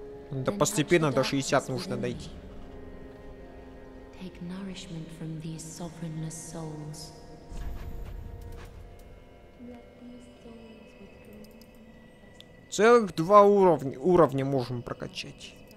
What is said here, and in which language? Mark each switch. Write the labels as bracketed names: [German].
[Russian] Да постепенно до 60 нужно дойти. [English] take nourishment from these sovereignless souls. [Russian] Целых два уровня можем прокачать.